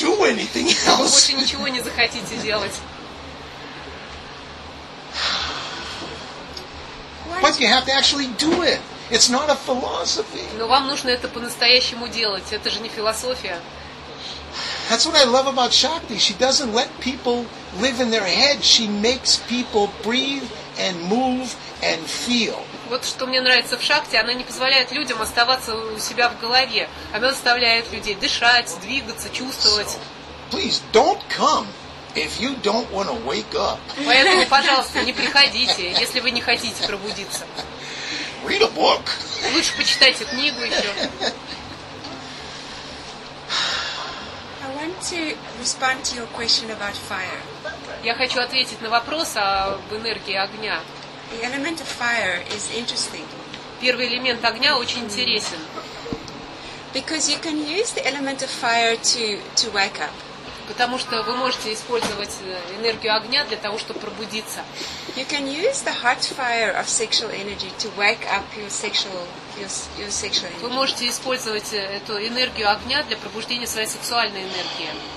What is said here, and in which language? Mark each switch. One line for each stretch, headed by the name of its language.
English: You won't want to do anything else.
Russian: Вы больше ничего не захотите делать.
English: But you have to actually do it. It's not a philosophy.
Russian: Но вам нужно это по-настоящему делать. Это же не философия.
English: That's what I love about Shakti. She doesn't let people live in their head. She makes people breathe and move and feel.
Russian: Вот что мне нравится в Шакти. Она не позволяет людям оставаться у себя в голове. Она заставляет людей дышать, двигаться, чувствовать.
English: So, please don't come if you don't want to wake up.
Russian: Поэтому, пожалуйста, не приходите, если вы не хотите пробудиться.
English: Read a book.
Russian: Лучше почитайте книгу еще.
English: To respond to your question about fire.
Russian: Я хочу ответить на вопрос об энергии огня.
English: The element of fire is interesting.
Russian: Первый элемент огня очень интересен.
English: Because you can use the element of fire to wake up.
Russian: Потому что вы можете использовать энергию огня для того, чтобы пробудиться.
English: You can use the heart fire of sexual energy to wake up your sexual energy.
Russian: Вы можете использовать эту энергию огня для пробуждения своей сексуальной энергии.